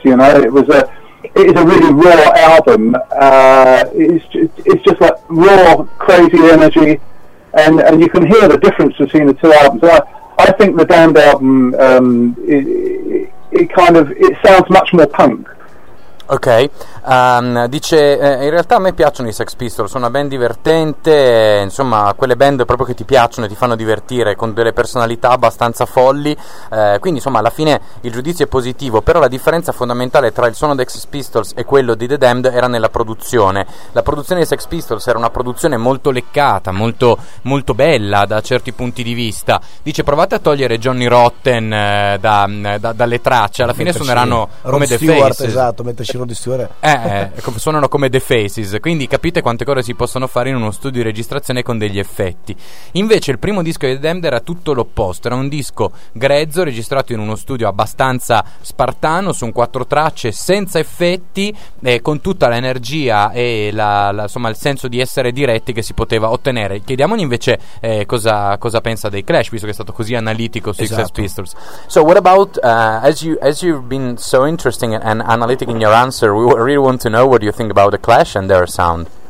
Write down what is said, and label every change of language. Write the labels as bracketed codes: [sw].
[en] You know, it is a really raw album. It's just like raw, crazy energy. And you can hear the difference between the two albums. I think the Damned album, it sounds much more punk. [it] Ok, dice in realtà a me piacciono i Sex Pistols, sono una band divertente, insomma quelle band proprio che ti piacciono e ti fanno divertire, con delle personalità abbastanza folli, quindi insomma alla fine il giudizio è positivo. Però la differenza fondamentale tra il suono dei Sex Pistols e quello di The Damned era nella produzione. La produzione dei Sex Pistols era una produzione molto leccata, molto, molto bella da certi punti di vista. Dice, provate a togliere Johnny Rotten dalle tracce, alla fine suoneranno come Rod Stewart, esatto, mentre Rod Stewart. Suonano come The Faces, quindi capite quante cose si possono fare in uno studio di registrazione con degli effetti. Invece il primo disco di The Damned era tutto l'opposto, era un disco grezzo registrato in uno studio abbastanza spartano, su un 4 tracce, senza effetti, con tutta l'energia e insomma il senso di essere diretti che si poteva ottenere. Chiediamogli invece cosa pensa dei Clash, visto che è stato così analitico sui Sex Pistols. [en] So what about as you've been so interesting and analytic in your answer, we really want to know what you think about the Clash and their sound.